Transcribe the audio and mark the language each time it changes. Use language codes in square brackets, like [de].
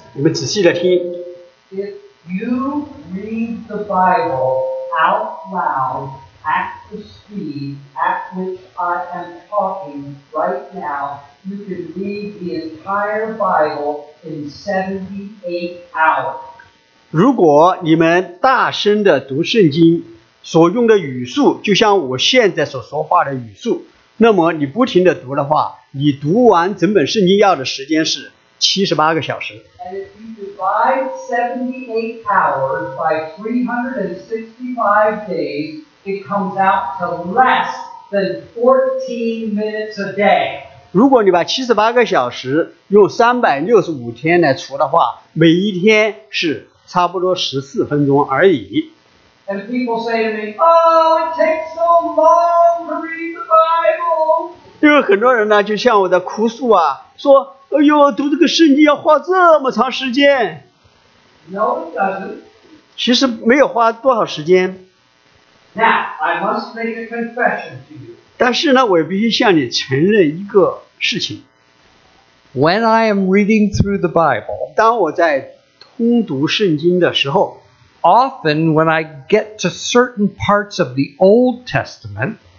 [en] If you read the Bible out loud at the speed at which I am talking right now, you can read the entire Bible in 78 hours. [zh] 如果你们大声地读圣经，所用的语速就像我现在所说话的语速，那么你不停地读的话，你读完整本圣经要的时间是 78个小时。 [en] And if you divide 78 hours by 365 days, it comes out to less than 14 minutes a day. [zh] 如果你把78个小时用365天来除的话，每一天是差不多14分钟而已。 [en] And people say to me, oh, it takes so long to read the Bible. [zh] 有很多人呢就向我的哭诉啊，说，哎呦，读这个圣经要花这么长时间。 [en] No, it doesn't. [zh] 其实没有花多少时间。 [en] Now, I must make a confession to you. [zh] 但是呢，我也必须向你承认一个事情。 [en] When I am reading through the Bible, [zh] 当我在通读圣经的时候， [en] often when I get to certain parts of the Old Testament,